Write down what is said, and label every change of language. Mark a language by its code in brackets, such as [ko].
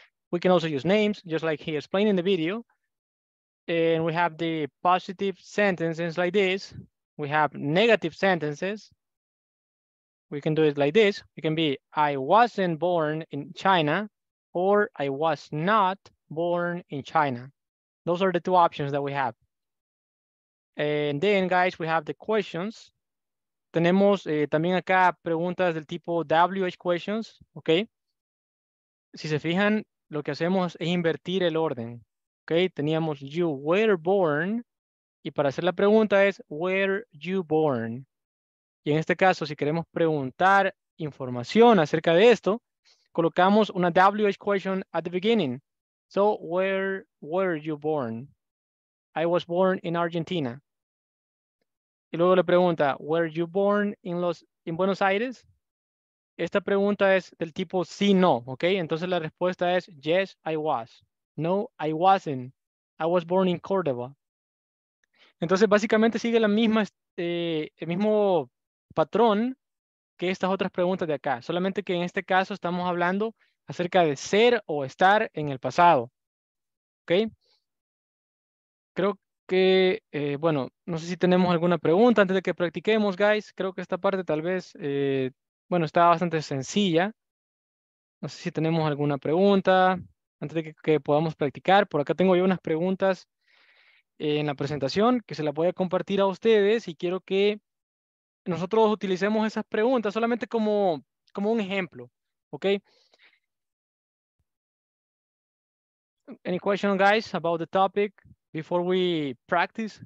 [en] We can also use names, just like he explained in the video. And we have the positive sentences like this. We have negative sentences. We can do it like this. It can be, I wasn't born in China, or I was not born in China. Those are the two options that we have. And then, guys, we have the questions. [es] Tenemos también acá preguntas del tipo WH questions, okay? Si se fijan, lo que hacemos es invertir el orden, ¿ok? Teníamos [en] you were born, [es] y para hacer la pregunta es [en] were you born? [es] Y en este caso, si queremos preguntar información acerca de esto, colocamos una WH question [en] at the beginning. So, where were you born? I was born in Argentina. [es] Y luego le pregunta, [en] were you born in Buenos Aires? [es] Esta pregunta es del tipo sí, no, ¿ok? Entonces la respuesta es [en] yes, I was. No, I wasn't. I was born in Córdoba. [es] Entonces básicamente sigue la misma, el mismo patrón que estas otras preguntas de acá. Solamente que en este caso estamos hablando acerca de ser o estar en el pasado. ¿Ok? Creo que, bueno, no sé si tenemos alguna pregunta antes de que practiquemos, guys. Creo que esta parte tal vez, bueno, está bastante sencilla. No sé si tenemos alguna pregunta antes de que podamos practicar. Por acá tengo yo unas preguntas en la presentación que se la voy a compartir a ustedes y quiero que nosotros utilicemos esas preguntas solamente como un ejemplo. ¿Ok? [en] Any question, guys, about the topic before we practice?